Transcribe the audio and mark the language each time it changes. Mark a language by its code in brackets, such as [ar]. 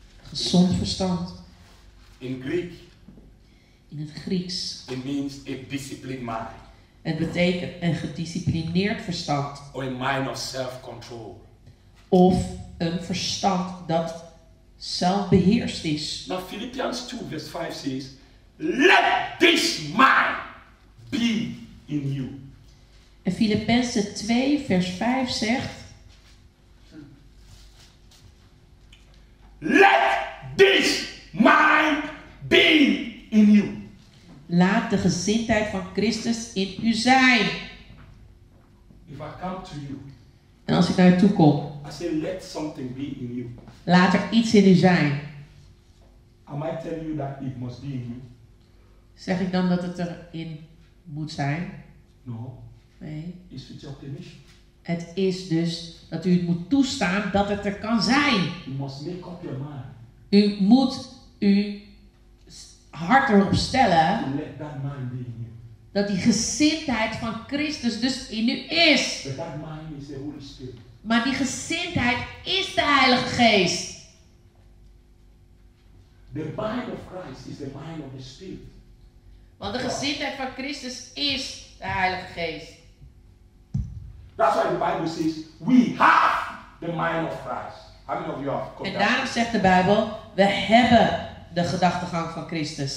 [nl] Gezond verstand. [en] In Greek. [nl] In het Grieks. [en] It means a disciplined mind. [nl] Het betekent een gedisciplineerd verstand. [en] Or a mind of self-control. [nl] Of een verstand dat zelfbeheerst is. [en] Now Philippians 2 verse 5 says, let this mind be in you. [nl] En Filippenzen 2 vers 5 zegt, [en] let this mind be in you. [nl] Laat de gezindheid van Christus in u zijn. [en] If I come to you, [nl] en als ik naar je toe kom, [en] I say, let something be in you. [nl] Laat er iets in u zijn. [en] Am I telling you that it must be in you? [nl] Zeg ik dan dat het erin moet zijn? [en] No. [nl] Nee. [en] Is it your permission? [nl] Het is dus dat u het moet toestaan dat het er kan zijn. [en] You must make up your mind. [nl] U moet u hart erop stellen [en] let that mind be in you. [nl] Dat die gezindheid van Christus dus in u is. [en] But that mind is the Holy Spirit. [nl] Maar die gezindheid is de Heilige Geest. [en] The mind of Christ is the mind of the Spirit. [nl] Want de gezindheid van Christus is de Heilige Geest. [en] That's why the Bible says we have the mind of Christ. How many of you have [nl] en daarom zegt de Bijbel, we hebben de gedachtegang van Christus.